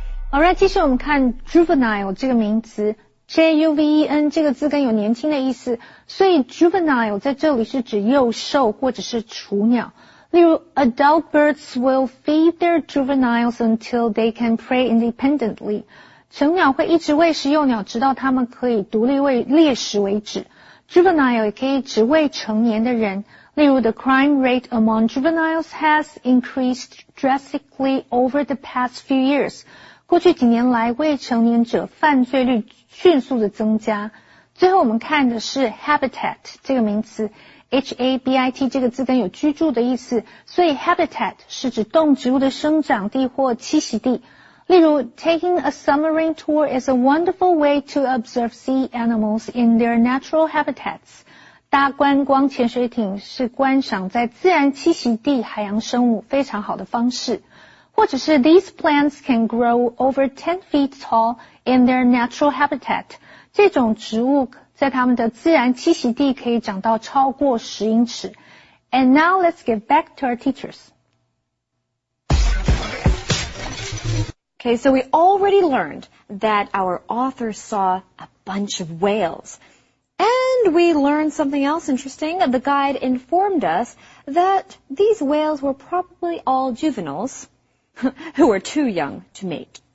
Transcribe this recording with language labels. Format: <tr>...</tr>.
<zh>好，来继续我们看 juvenile 这个名词 J-U-V-E-N 这个字根有年轻的意思，所以 juvenile 在这里是指幼兽或者是雏鸟。例如</zh> <en>adult birds will feed their juveniles until they can prey independently，</en> <zh>成鸟会一直喂食幼鸟直到它们可以独立喂猎食为止。 juvenile 也可以指喂成年的人，例如</zh> <en>the crime rate among juveniles has increased drastically over the past few years，</en> <zh>过去几年来未成年者犯罪率迅速的增加。最后我们看的是 habitat 这个名词， H-A-B-I-T 这个字根有居住的意思，所以 habitat 是指动植物的生长地或栖息地。例如</zh> <en>taking a submarine tour is a wonderful way to observe sea animals in their natural habitats，</en> <zh>搭观光潜水艇是观赏在自然栖息地海洋生物非常好的方式。或者是</zh> <en>these plants can grow over 10 feet tall in their natural habitat.</en> <zh>这种植物在它们的自然栖息地可以长到超过10英尺。</zh> <en>And now let's get back to our teachers. Okay, so we already learned that our author saw a bunch of whales. And we learned something else interesting. The guide informed us that these whales were probably all juveniles who were too young to mate.</en>